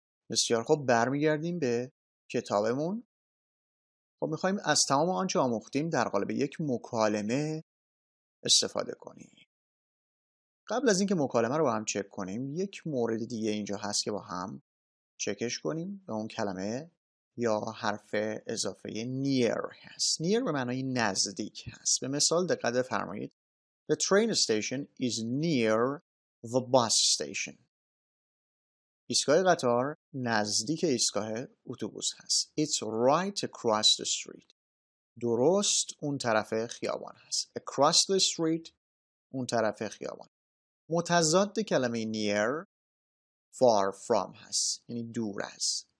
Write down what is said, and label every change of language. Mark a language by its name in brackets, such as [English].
[Persian] بسیار خوب, برمیگردیم به کتابمون. خب میخواییم از تمام آنچه آموختیم در قالب یک مکالمه استفاده کنیم. قبل از اینکه مکالمه رو با هم چک کنیم, یک مورد دیگه اینجا هست که با هم چکش کنیم. به اون کلمه یا حرف اضافه near هست. Near به معنای نزدیک هست. به مثال دقت فرمایید. [English] The train station is near the bus station. [Persian] ایستگاه قطار نزدیک ایستگاه اتوبوس هست. [English] It's right across the street. [Persian] درست اون طرف خیابان هست. [English] Across the street, [Persian] اون طرف خیابان. متضاد کلمه near, far from هست. یعنی دور هست.